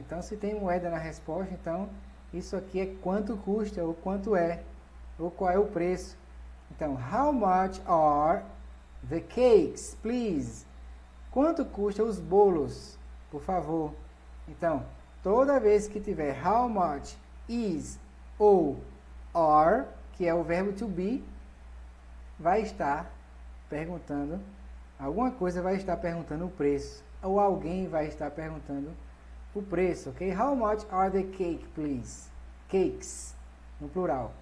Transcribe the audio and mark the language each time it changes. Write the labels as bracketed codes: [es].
[pt] Então, se tem moeda na resposta, então isso aqui é quanto custa, ou quanto é, ou qual é o preço. Então, [en] how much are the cakes, please? [pt] Quanto custa os bolos, por favor? Então, toda vez que tiver [en] how much, [pt] is, ou are, que é o verbo to be, vai estar perguntando. Alguma coisa vai estar perguntando o preço. Ou alguém vai estar perguntando o preço, ok? [en] How much are the cake, please? Cakes. [pt] no plural.